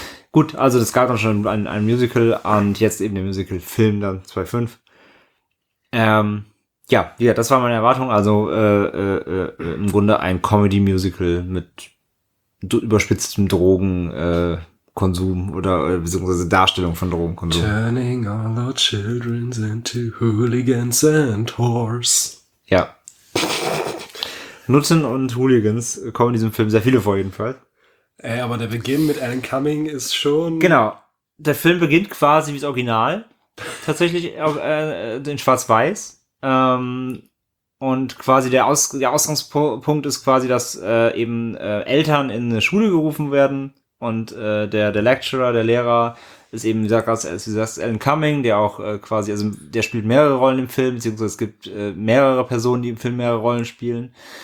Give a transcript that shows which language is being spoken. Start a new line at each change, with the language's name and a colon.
German: Gut, also das gab dann schon ein Musical und jetzt eben der Musical-Film dann 2005. Ja, das war meine Erwartung. Also im Grunde ein Comedy-Musical mit überspitztem Drogenkonsum oder beziehungsweise Darstellung von Drogenkonsum.
English: Turning all our children into hooligans and whores.
German: Ja. Nutzen und Hooligans kommen in diesem Film sehr viele vor, jedenfalls. Ey, aber der Beginn mit Alan Cumming ist schon... Genau, der Film beginnt quasi wie das Original, tatsächlich in Schwarz-Weiß. Und quasi der Ausgangspunkt ist quasi, dass eben Eltern in eine Schule gerufen werden und der Lecturer, der Lehrer ist eben, wie du sagst, Alan Cumming, der auch quasi, also der spielt mehrere Rollen im Film, beziehungsweise es gibt mehrere Personen, die im Film mehrere Rollen spielen.